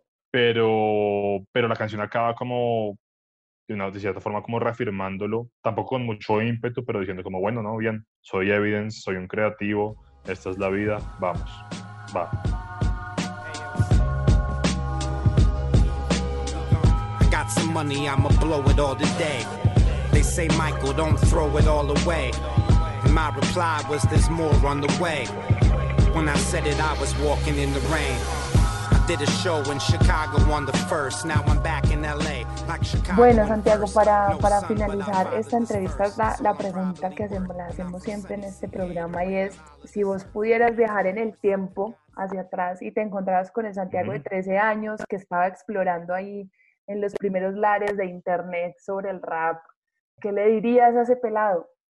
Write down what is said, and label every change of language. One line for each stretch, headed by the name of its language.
Spanish: Pero la canción acaba como, de cierta forma, como reafirmándolo, tampoco con mucho ímpetu, pero diciendo como, bueno, no, bien, soy Evidence, soy un creativo, esta es la vida, vamos, va.
English: Some money, I'ma blow it all today. They say, Michael, don't throw it all away. And my reply was, there's more on the way. When I said it, I was walking in the rain. I did a show in Chicago on the first. Now I'm back in LA.
Spanish: Bueno, Santiago, para finalizar esta entrevista, la pregunta que hacemos siempre en este programa y es, si vos pudieras viajar en el tiempo hacia atrás y te encontrabas con el Santiago de 13 años que estaba explorando ahí en los primeros lares de internet sobre el rap, ¿qué le dirías a ese pelado?